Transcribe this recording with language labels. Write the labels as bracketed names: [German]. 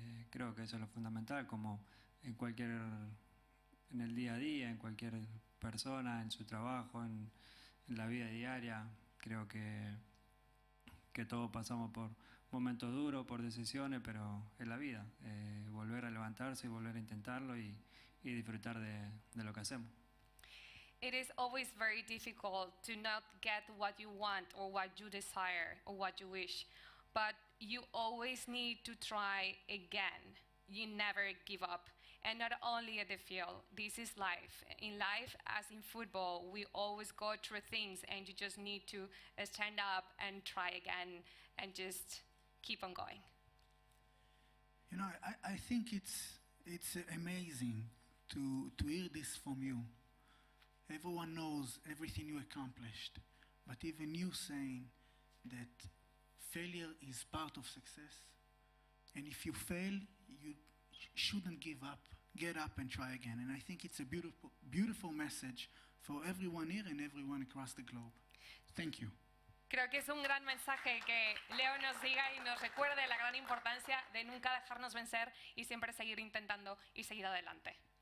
[Spanish] Creo que eso es lo fundamental, como en el día a día, en cualquier persona, en su trabajo, en la vida diaria. Creo que todos pasamos por momentos duros, por decisiones, pero es la vida. Volver a levantarse y volver a intentarlo y disfrutar de lo que hacemos. [English] It is always very difficult to not get what you want or what you desire or what you wish, but you always need to try again. You never give up. And not only at the field, this is life. In life, as in football, we always go through things and you just need to stand up and try again and just keep on going. You know, I think it's amazing to hear this from you. Everyone knows everything you accomplished, but even you saying that failure is part of success, and if you fail, you shouldn't give up. Get up and try again. And I think it's a beautiful message for everyone here and everyone across the globe. Thank you. [Spanish] Creo que es un gran mensaje que Leo nos diga y nos recuerde la gran importancia de nunca dejarnos vencer y siempre seguir intentando y seguir adelante.